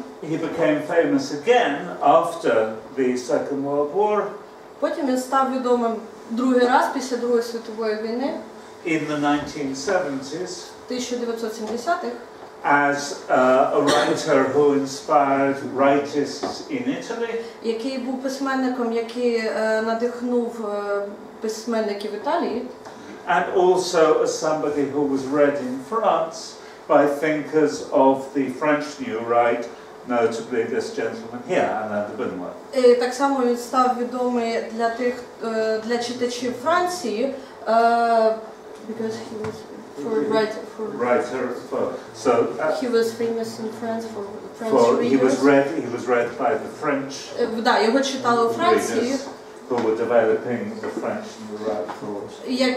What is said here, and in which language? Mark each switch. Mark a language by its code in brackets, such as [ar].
[en] He became famous again after the Second World War. [uk] Потім він став відомим другий раз після Другої світової війни. [en] In the 1970s. [uk] 1970-х. [en] As a writer who inspired rightists in Italy. [uk] Який був письменником, який надихнув письменників Італії. [en] And also as somebody who was read in France. By thinkers of the French New Right, notably this gentleman here, Alain de Benoist. [uk] І так само він став відомий для тих, для читачів Франції, [en] because he was for he was famous in France for French for readers. He was read by the French. [uk] Да, його читали у Франції. [en] Who were developing the French New Right thought.